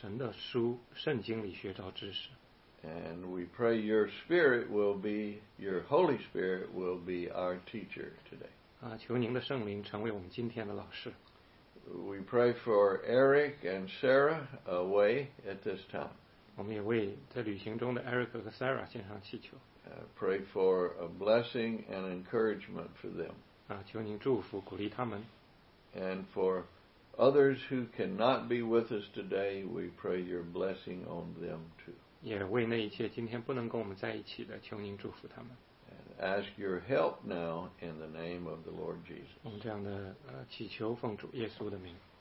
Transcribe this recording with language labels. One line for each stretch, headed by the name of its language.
Chinese: 求您帮助我们今天在您神的书圣经里学到知识。
English: And we pray your Holy Spirit will be our teacher today.
Chinese: 求您的圣灵成为我们今天的老师。
English: We pray for Eric and Sarah away at this time.
Chinese: 我们也为在旅行中的Eric和Sarah献上祈求。
English: Pray for a blessing and encouragement for them.
Chinese: 求您祝福鼓励他们。
English: And for others who cannot be with us today, we pray your blessing on them too.
Chinese: 也为那一切今天不能跟我们在一起的，求您祝福他们。
English: And ask your help now in the name of the Lord Jesus.
Chinese: 我们这样的祈求奉主耶稣的名。